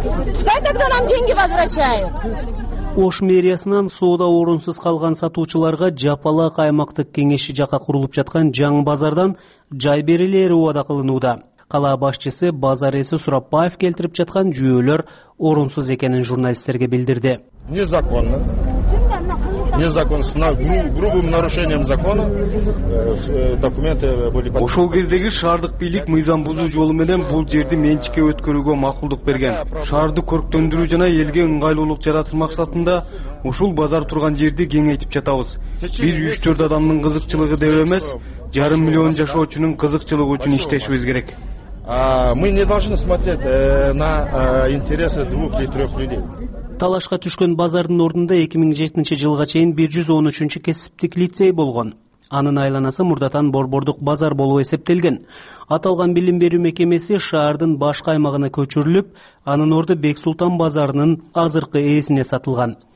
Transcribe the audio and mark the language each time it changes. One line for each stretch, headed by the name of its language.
Russian: Пускай тогда нам деньги возвращают.
Kyrgyz: Ош мэриясынан соода орунсуз калган сатуучуларга жапалак аймактык кеңеши жака курулуп жаткан жаңы базардан жай берилери убада кылынууда. Калаа башчысы базар ээси Сурапбаев келтирип жаткан жүйөлөр орунсуз экенин журналисттерге билдирди.
Russian: Незаконно. грубым нарушением закона документы были подписаны.
Kyrgyz: Ошол кездеги шаардык бийлик мыйзам бузуу жолу менен бул жерди менчикке өткөрүүгө макулдук берген. Шаарды көрктөндүрүү жана элге ыңгайлуулук жаратуу максатында ушул базар турган жерди кеңейтип жатабыз. Биз 3-4 адамдын кызыкчылыгы деп эмес, 500,000 жашоочунун кызыкчылыгы үчүн иштешибиз керек.
Russian: Мы не должны смотреть на интересы 2-3 людей.
Kyrgyz: Талашка түшкөн базардын ордунда 2007 жылга чейин 113 кесиптик лицей болгон. Анын айланасы мурдатан борбордук базар болуп эсептелген. Аталган билим берүү мекемеси шаардын башка аймагына көчүрүлүп, анын орду Бексултан базарынын азыркы ээсине сатылган.